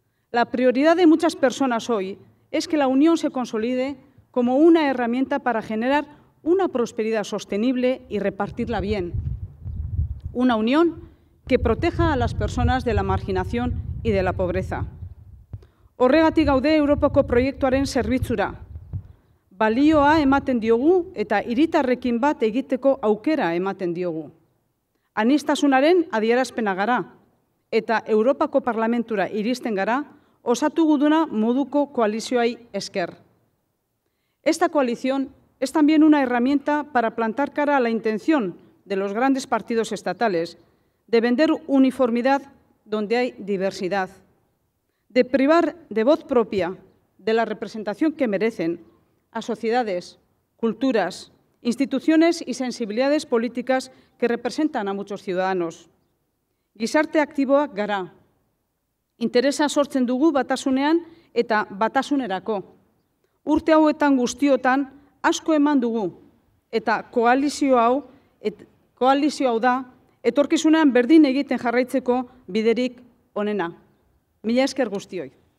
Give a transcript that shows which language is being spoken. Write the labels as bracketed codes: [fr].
[es] La prioridad de muchas personas hoy es que la Unión se consolide como una herramienta para generar una prosperidad sostenible y repartirla bien. Una Unión que proteja a las personas de la marginación y de la pobreza. [eu] Horregatik gaude Europako proiektuaren zerbitzura. Balioa ematen diogu eta hiritarrekin bat egiteko aukera ematen diogu. Anistasunaren adierazpena gara eta Europako Parlamentura iristen gara osatugu duna moduko koalizioai esker. [es] Esta coalición es también una herramienta para plantar cara a la intención de los grandes partidos estatales de vender uniformidad donde hay diversidad, de privar de voz propia de la representación que merecen a sociedades, culturas, instituciones y sensibilidades políticas que representan a muchos ciudadanos. [eu] Gizarte aktiboak gara. Interesa sortzen dugu batasunean eta batasunerako. Urte hauetan guztiotan asko eman dugu eta koalizio hau da etorkizunean berdin egiten jarraitzeko biderik onena. Mila esker guztioi.